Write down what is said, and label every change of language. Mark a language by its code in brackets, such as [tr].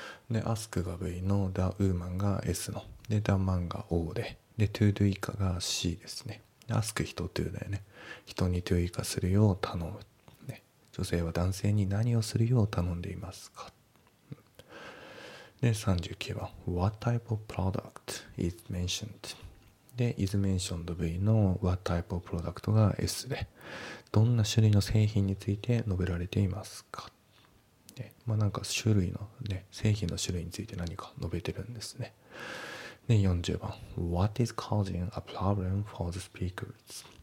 [ja] で ask が V の [en] the woman [ja] が S ので、 [en] the man [ja] が O で、 で [en] to do [ja] 以下が C ですね。で ask 人 to だよね。人に to 以下するよう頼む、ね、女性は男性に何をするよう頼んでいますか。で39番、 [en] What type of product is mentioned? [ja] で、 [en] is mentioned [ja] V の [en] what type of product [ja] が S で、どんな種類の製品について述べられていますか。で、まあなんか種類のね、製品の種類について何か述べてるんですね。で、40番、 [en] What is causing a problem for the speakers?